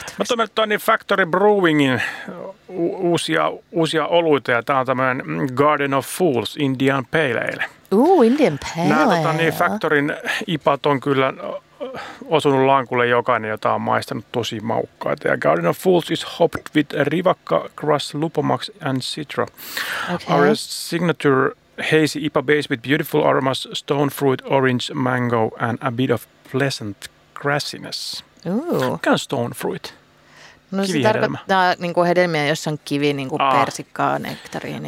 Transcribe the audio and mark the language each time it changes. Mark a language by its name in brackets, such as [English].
[Finnish] Mä toimin tuon Factory Brewingin uusia oluita ja tää on tämmönen Garden of Fools Indian Pale Ale. Indian Pale Ale. Nää Factoryn ipat on kyllä osunut lankulle jokainen, jota on maistanut tosi maukkaita. [English] Ja Garden of Fools is hopped with Rivakka, Grass, Lupomax and Citra. Okay. Our signature hazy IPA base with beautiful aromas, stone fruit, orange, mango and a bit of pleasant grassiness. Ooh. [Finnish] Mikä on stone fruit? No se tarkoittaa niin kuin hedelmiä, jossa on kivi, niin kuin persikkaa, nektariini.